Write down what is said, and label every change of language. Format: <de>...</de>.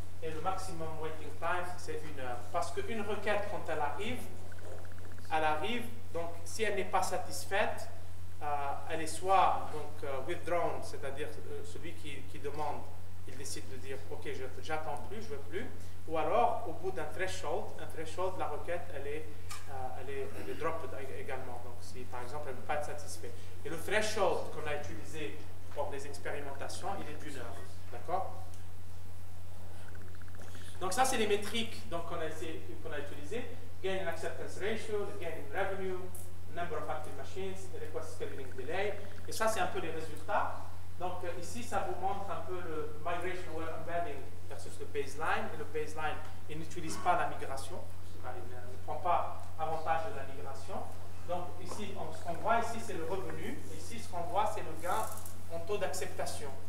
<fr>Et le maximum waiting time, c'est 1 heure. Parce qu'une requête, quand elle arrive, donc si elle n'est pas satisfaite, elle est soit donc, withdrawn, c'est-à-dire celui qui demande, il décide de dire « Ok, j'attends plus, je ne veux plus. » Ou alors, au bout d'un threshold, la requête, elle est dropped également. Donc, si par exemple, elle ne peut pas être satisfaite. Et le threshold qu'on a utilisé pour les expérimentations, il est d'une heure. D'accord ? Donc, ça, c'est les métriques donc, qu'on a utilisées.</fr> <en>Gain in acceptance ratio, the gain in revenue, number of active machines, the request scheduling delay.</en> <fr>Et ça, c'est un peu les résultats. Donc, ici, ça vous montre un peu le migration aware embedding versus le baseline. Et le baseline, il n'utilise pas la migration. Il ne prend pas avantage de la migration. Donc, ici, ce qu'on voit ici, c'est le revenu. Ici, ce qu'on voit, c'est le gain en taux d'acceptation.</fr>